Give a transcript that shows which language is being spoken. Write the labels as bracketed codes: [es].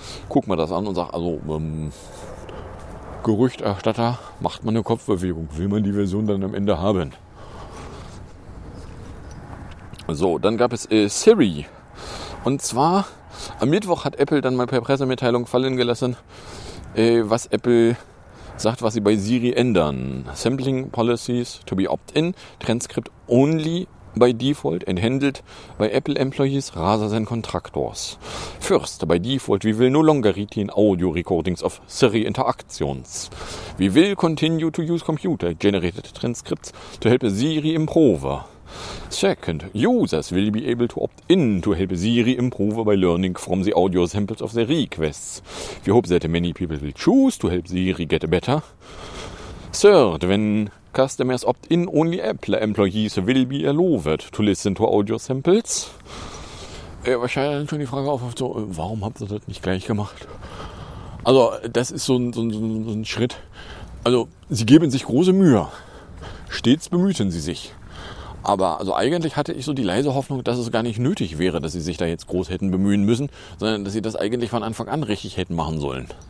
[de] Guck mal das an und sag, also Gerüchterstatter, macht man eine Kopfbewegung, will man die Version dann am Ende haben. So, dann gab es Siri. Und zwar, am Mittwoch hat Apple dann mal per Pressemitteilung fallen gelassen, was Apple sagt, was sie bei Siri ändern. [en] Sampling Policies to be opt-in, Transcript only by default and handled by Apple Employees rather than Contractors. First, by default, we will no longer retain audio recordings of Siri interactions. We will continue to use computer-generated transcripts to help Siri improve. Second, users will be able to opt in to help Siri improve by learning from the audio samples of the requests. We hope that many people will choose to help Siri get better. Third, when customers opt in, only Apple employees will be allowed to listen to audio samples. [de] Wahrscheinlich schon die Frage auf so, warum habt ihr das nicht gleich gemacht? Also, das ist so ein Schritt. Also, sie geben sich große Mühe. Stets bemühten sie sich. Aber also eigentlich hatte ich so die leise Hoffnung, dass es gar nicht nötig wäre, dass sie sich da jetzt groß hätten bemühen müssen, sondern dass sie das eigentlich von Anfang an richtig hätten machen sollen.